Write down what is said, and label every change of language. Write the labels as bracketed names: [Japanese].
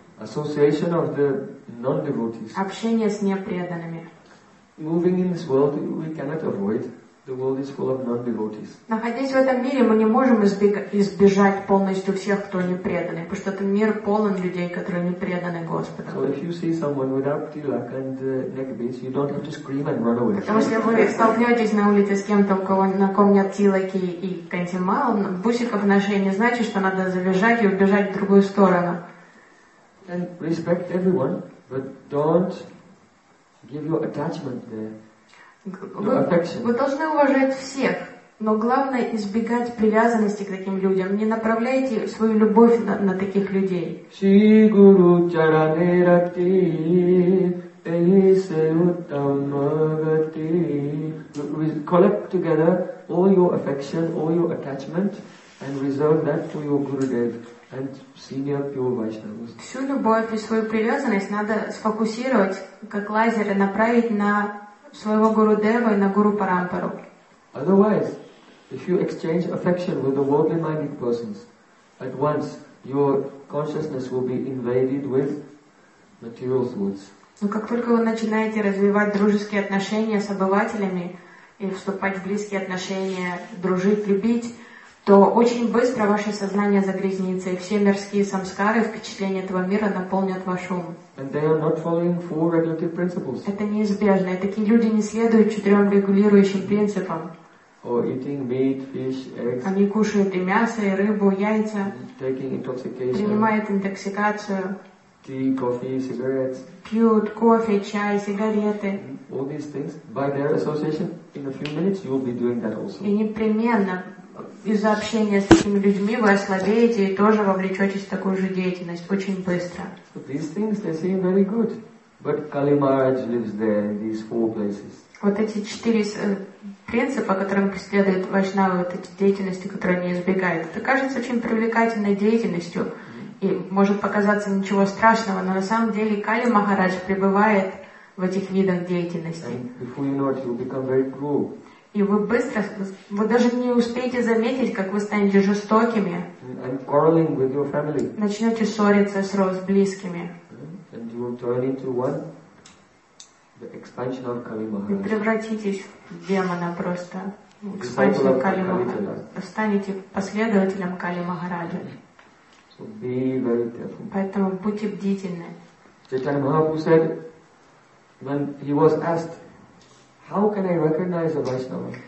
[English] Association of the non-devotees. [Russian] Общение с непреданными. [English] Moving in this world, we cannot avoid. The world is full of non-devotees. [Russian] Находясь в этом мире, мы не можем избежать полностью всех, кто не преданный, потому что этот мир полон людей, которые не преданы Господу. [English] So if you see someone without tilak and neck beads, you don't have to scream and run away. [Russian] Потому что если вы столкнетесь на улице с кем-то, на ком нет тилаки и кантимал, бусиков на шее, не значит, что надо забежать и убежать в другую сторону. [English] And respect everyone, but don't give your attachment there. [Russian] Вы должны уважать всех, но главное избегать привязанности к таким людям. Не направляйте свою любовь на таких людей. [Sanskrit] Шигуру чаране рати, эйсе уттама гати. [English] We collect together all your affection, all your attachment, and reserve that to your Gurudev and senior pure Vaishnavas. [Russian] Всю любовь и свою привязанность надо сфокусировать, как лазер, и направить на своего гуру Дева и на гуру Парампару. [English] Otherwise, if you exchange affection with the worldly-minded persons, at once your consciousness will be invaded with material thoughts. [Russian] Но как только вы начинаете развивать дружеские отношения с обывателями и вступать в близкие отношения, дружить, любить, то очень быстро ваше сознание загрязнится, и все мирские самскары, впечатления этого мира наполнят ваш ум. [English] And they are not following four regulative principles. [Russian] Это неизбежно. И такие люди не следуют четырем регулирующим принципам. [English] Or eating meat, fish, eggs. [Russian] Они кушают и мясо, и рыбу, и яйца. [English] Taking intoxication. [Russian] Принимают интоксикацию. [English] Tea, coffee, cigarettes. [Russian] Пьют кофе, чай, сигареты. [English] All these things. By their association, in a few minutes, you will be doing that also. [Russian] И непременно. Из-за общения с такими людьми вы ослабеете и тоже вовлечетесь в такую же деятельность очень быстро. [English] So these things, they seem very good. But Kali Maharaj lives there in these four places. [Russian] Вот эти четыре принципа, которым преследуют вайшнавы, вот эти деятельности, которые они избегают, это кажется очень привлекательной деятельностью. И может показаться ничего страшного, но на самом деле Кали Махарадж пребывает в этих видах деятельности. [English] And before you know it, you'll become very cruel. [Russian] И вы быстро, вы даже не успеете заметить, как вы станете жестокими. [English] And quarreling with your family. [Russian] Начнете ссориться с близкими. [English] And you will turn into one, the expansion of Kali Maharaj. [Russian] И превратитесь в демона просто. Экспансию Кали Махараджа. Станете последователем Кали Махараджа. [English] So be very careful. [Russian] Поэтому будьте бдительны. [English] Чайтанья Махапрабху said, when he was asked, how can I recognize a Vaishnava?